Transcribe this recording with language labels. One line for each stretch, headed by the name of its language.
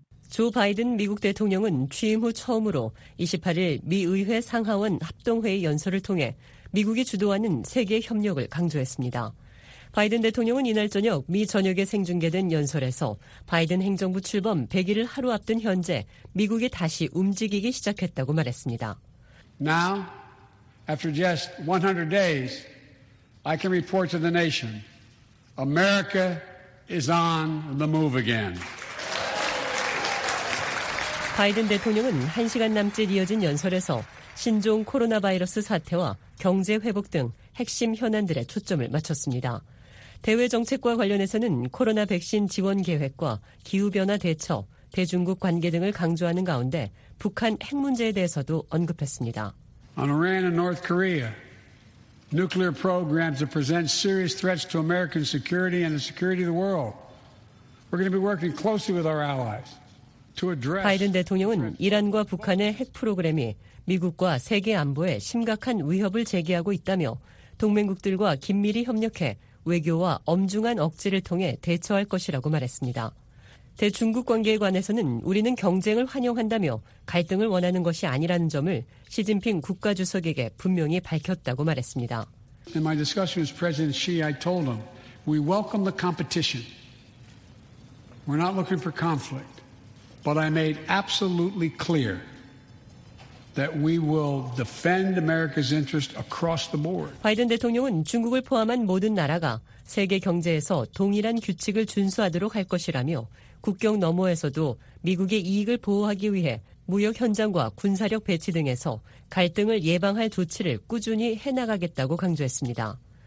Korean: 조 바이든 미국 대통령은 취임 후 처음으로 28일 미 의회 상하원 합동회의 연설을 통해 미국이 주도하는 세계 협력을 강조했습니다. 바이든 대통령은 이날 저녁 미 전역에 생중계된 연설에서 바이든 행정부 출범 100일을 하루 앞둔 현재 미국이 다시 움직이기 시작했다고 말했습니다.
English: Now, after just 100 days, I can report to the nation, America is on the move again.
Korean: 바이든 대통령은 1시간 남짓 이어진 연설에서 신종 코로나 바이러스 사태와 경제 회복 등 핵심 현안들에 초점을 맞췄습니다. 대외 정책과 관련해서는 코로나 백신 지원 계획과 기후변화 대처, 대중국 관계 등을 강조하는 가운데 북한 핵 문제에 대해서도 언급했습니다.
English: On Iran and North Korea, nuclear programs that present serious threats to American security and the security of the world. We're going to be working closely with our allies.
Korean: 바이든 대통령은 이란과 북한의 핵 프로그램이 미국과 세계 안보에 심각한 위협을 제기하고 있다며 동맹국들과 긴밀히 협력해 외교와 엄중한 억제를 통해 대처할 것이라고 말했습니다. 대중국 관계에 관해서는 우리는 경쟁을 환영한다며 갈등을 원하는 것이 아니라는 점을 시진핑 국가주석에게 분명히 밝혔다고 말했습니다.
English: In my discussion with President Xi, I told him, we welcome the competition. We're not looking for conflict. But I made absolutely clear that we will defend America's interest across the board.
Korean: 바이든 대통령은 중국을 포함한 모든 나라가 세계 경제에서 동일한 규칙을 준수하도록 할 것이라며 국경 너머에서도 미국의 이익을 보호하기 위해 무역 현장과 군사력 배치 등에서 갈등을 예방할 조치를 꾸준히 해나가겠다고 강조했습니다.